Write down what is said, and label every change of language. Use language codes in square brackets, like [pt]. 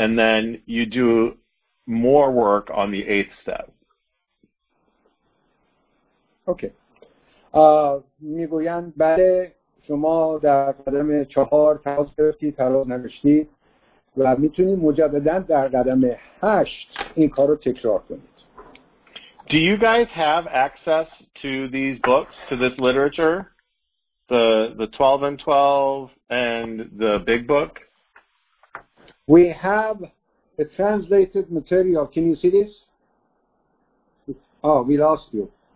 [en] And then you do more work on the 8th step. Okay. [fa] میگویند بله شما در قدم 4 تراز گرفتید، تراز نوشتید و میتونید مجددا در قدم 8 این کارو تکرار کنید. [en] Do you guys have access to these books, to this literature? The 12 and 12 and the big book? We have a translated material. Can you see this? Oh, we lost you.